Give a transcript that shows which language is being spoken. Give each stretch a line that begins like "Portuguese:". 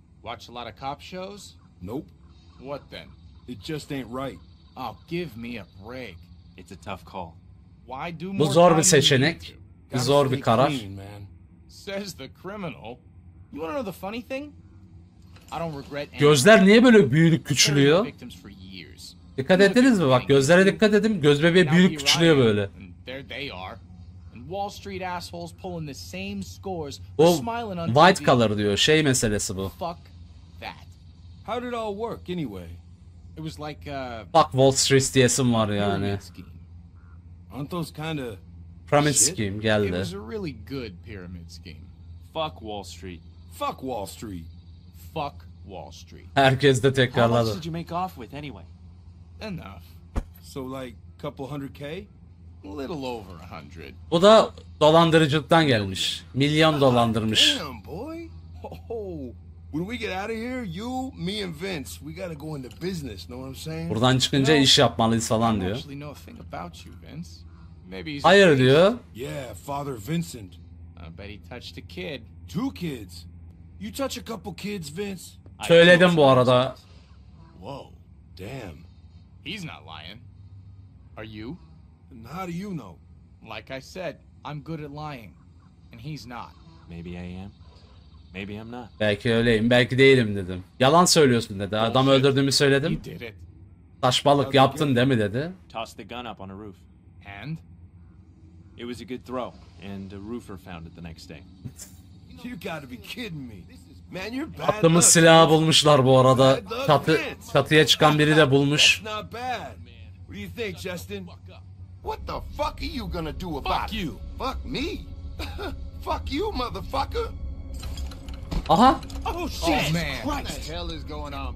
English: Watch a lot of cop shows? Nope. What then? It just ain't right. Oh, give me a break. It's a tough call. Why do
Turkish: Bu zor bir seçenek. Zor bir karar. Clean,
English: says the criminal. You wanna know the funny thing? I don't regret anything.
Turkish: Gözler niye böyle büyüdük küçülüyor? Dikkat ettiniz mi? Bak gözlere dikkat edin. Göz bebeği büyüdük küçülüyor böyle.
English: There they are. Wall Street assholes pulling the same scores.
Turkish: O white color diyor. Şey meselesi bu.
English: Fuck that. How did it all work anyway? It was like a fuck Wall Street
Turkish: diyesim var yani.
English: Aren't those kind of
Turkish: pyramid scheme geldi.
English: It was a really good pyramid scheme. Fuck Wall Street. Fuck Wall Street. Fuck Wall Street.
Turkish: Herkes de tekrarladı.
English: How much did you make off with anyway? Enough. So like couple hundred K? Little over 100.
Turkish: Bu da dolandırıcılıktan gelmiş. Milyon dolandırmış.
English: Damn, boy. Oh, when we get out of here, you, me and Vince, we gotta go into business, know what I'm saying? Buradan çıkınca iş yapmalıyız falan diyor. I actually know a thing about you, Vince. Maybe he's
Turkish: hayır diyor.
English: Yeah, Father Vincent. I bet he touched a kid. Two kids. You touch a couple kids, Vince?
Turkish: Söyledim bu arada.
English: Whoa, damn. He's not lying. Are you? And how do you know? Like I said, I'm good at lying. And he's not. Maybe I am. Maybe I'm not.
Turkish: Belki öyleyim, belki değilim dedim. Yalan söylüyorsun dedi. Adam öldürdüğümü söyledim.
English: He did it.
Turkish: Saçmalık yaptın değil mi dedi.
English: Tossed the gun up on a roof. And? It was a good throw. And a roofer found it the next day. You gotta be kidding me. Man, you're bad.
Turkish: Attığımız silahı bulmuşlar bu arada. Çatıya çıkan biri de bulmuş.
English: Not bad, man. What do you think, Justin? What the fuck are you gonna do about fuck you? It? Fuck me? Fuck you, motherfucker! Aha! Oh, Jesus man. Christ! What the hell is going on,